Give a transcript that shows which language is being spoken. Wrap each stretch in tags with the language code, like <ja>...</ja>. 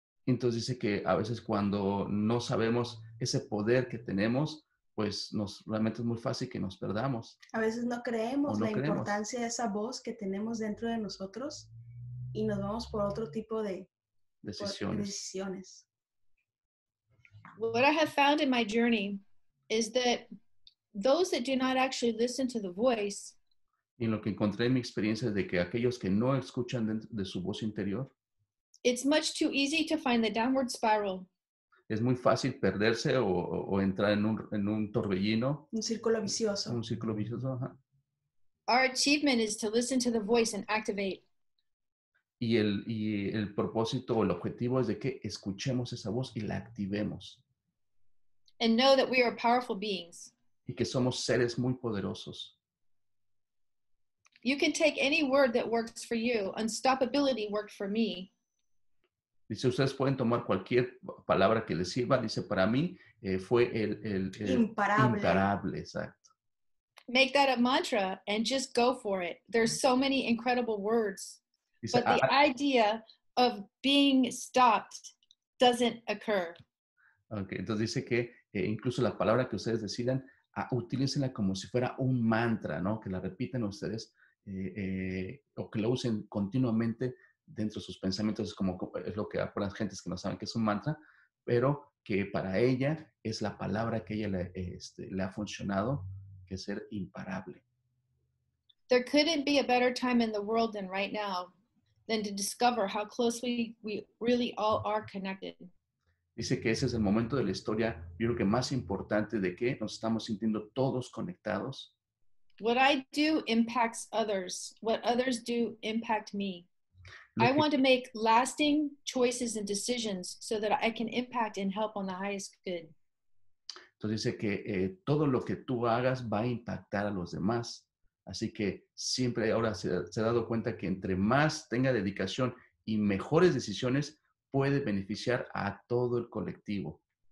<es>Entonces dice que a veces cuando no sabemos ese poder que tenemos, pues realmente es muy fácil que nos perdamos. A veces no creemos la importancia de esa voz que tenemos dentro de nosotros y nos vamos por otro tipo de decisiones.</es> <en>What I have found in my journey is that those that do not actually listen to the voice,</en> <es>y en lo que encontré en mi experiencia es de que aquellos que no escuchan de su voz interior,</es> <en>it's much too easy to find the downward spiral.</en> <es>Es muy fácil perderse o entrar en un torbellino. Un círculo vicioso. Un círculo vicioso, ajá.</es> <en>Our achievement is to listen to the voice and activate.</en> <es>Y el propósito o el objetivo es de que escuchemos esa voz y la activemos.</es> <en>And know that we are powerful beings.</en> <es>Y que somos seres muy poderosos.</es> <en>You can take any word that works for you. Unstoppability worked for me.</en> <es>Dice, ustedes pueden tomar cualquier palabra que les sirva. Dice, para mí fue el imparable. Exacto.</es> <en>Make that a mantra and just go for it. There's so many incredible words.</en> <es>Dice,</es> <en>but the idea of being stopped doesn't occur.</en> <es>Okay, entonces dice que incluso la palabra que ustedes decidan, utilícenla como si fuera un mantra, ¿no? Que la repiten ustedes. O que lo usen continuamente dentro de sus pensamientos, es como es lo que algunas gentes que no saben que es un mantra, pero que para ella es la palabra que ella le ha funcionado, que es ser imparable.</es> <en>There couldn't be a better time in the world than right now than to discover how closely we really all are connected.</en> <es>Dice que ese es el momento de la historia, yo creo que más importante, de que nos estamos sintiendo todos conectados.</es> <en>What I do impacts others. What others do impact me. I want to make lasting choices and decisions so that I can impact and help on the highest good.</en> <es>Entonces dice que todo lo que tú hagas va a impactar a los demás. Así que siempre ahora se ha dado cuenta que entre más tenga dedicación y mejores decisiones, puede beneficiar a todo el colectivo.</es>